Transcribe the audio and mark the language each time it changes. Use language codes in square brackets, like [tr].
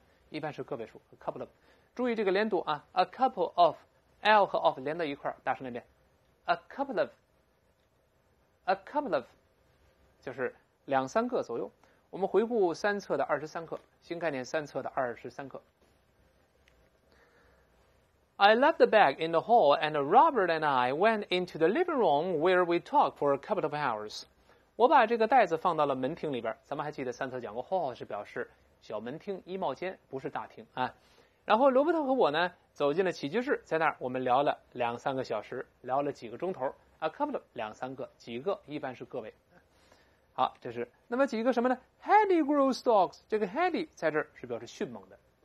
[zh] 一般是个位数 a couple of。注意这个连读啊 ，a couple of l 和 of 连到一块儿，大声点 ，a couple of 就是两三个左右。我们回顾三册的23课，新概念三册的23课。 [en] I left the bag in the hall, and Robert and I went into the living room where we talked for a couple of hours. [zh] 我把这个袋子放到了门厅里边。咱们还记得三册讲过 ，hall 是表示小门厅、衣帽间，不是大厅啊。然后罗伯特和我呢，走进了起居室，在那儿我们聊了两三个小时，聊了几个钟头。 A couple of 两三个，几个一般是个位。好，这是那么几个什么呢 ？ [en] Heady grow stocks， [zh] 这个 heady 在这儿是表示迅猛的。